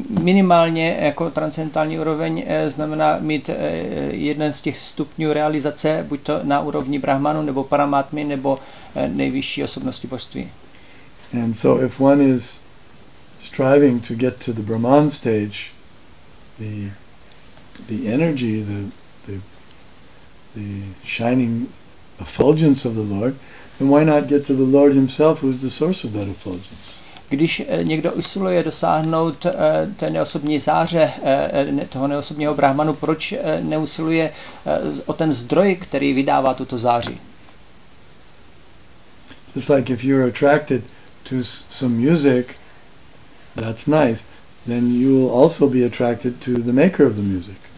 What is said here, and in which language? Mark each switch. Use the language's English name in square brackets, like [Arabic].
[Czech] Minimálně jako transcendentální úroveň znamená mít jeden z těch stupňů realizace, buď to na úrovni Brahmanu nebo Paramatmy nebo nejvyšší osobnosti božství. [English] And so if one is striving to get to the Brahman stage, the energy, the shining effulgence of the Lord, then why not get to the Lord himself, who is the source of that effulgence? [Czech] Když někdo usiluje dosáhnout té neosobní záře, toho neosobního Brahmanu, proč neusiluje o ten zdroj, který vydává tuto záři? [English] Just like if you're attracted to some music, that's nice, then you will also be attracted to the maker of the music.